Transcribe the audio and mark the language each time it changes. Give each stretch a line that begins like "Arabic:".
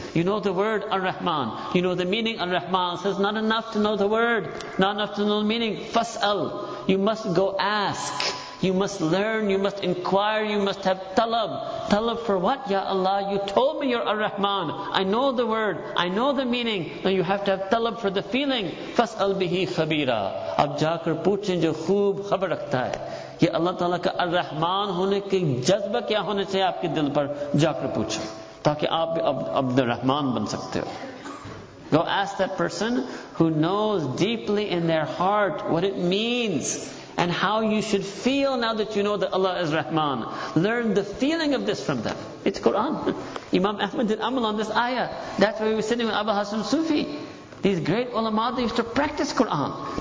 English: You know the word Ar-Rahman. You know the meaning Ar-Rahman. Says not enough to know the word, not enough to know the meaning. Fas'al. You must go ask. You must learn. You must inquire. You must have talab. Talab for what? Ya Allah, you told me you're Ar-Rahman. I know the word. I know the meaning. Now you have to have talab for the feeling.
Arabic: Fas'al bihi khabira.
Urdu: اب جاکر پوچھیں جو خوب خبر رکھتا ہے. یہ اللہ تعالیٰ کا الرحمٰن ہونے کی جذبہ کیا ہونے چاہیے آپکے دل پر؟ جاکر پوچھو. تاکہ آپ بھی عبد الرحمٰن بن سکتے ہو.
English: Go ask that person who knows deeply in their heart what it means and how you should feel now that you know that Allah is Rahman. Learn the feeling of this from them. It's Quran. Imam Ahmad did amal on this ayah. That's why we were sitting with Abu Hassan Sufi. These great ulama, they used to practice Quran.